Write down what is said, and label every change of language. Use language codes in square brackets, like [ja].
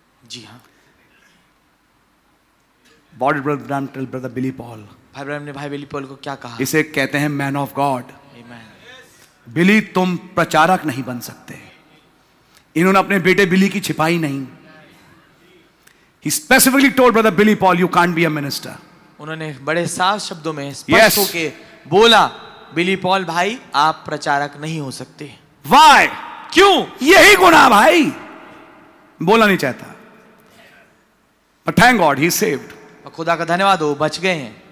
[hi] जी हां. [en] Body brother Branham tell brother Billy Paul. [hi] भाई Branham ने भाई बिली पॉल को क्या कहा? इसे कहते हैं [en] Man of God. [hi] बिली तुम प्रचारक नहीं बन सकते. इन्होंने अपने बेटे बिली की छिपाई नहीं. [en] He specifically told brother Billy Paul, you can't be a minister. [hi] उन्होंने बड़े साफ शब्दों में स्पष्ट होके बोला, बिली पॉल भाई आप प्रचारक नहीं हो सकते. [en] Why? [hi] क्यों? यही गुनाह भाई. बोला नहीं चाहता. [en] But thank God he saved. [hi] खुदा का धन्यवाद हो बच गए हैं.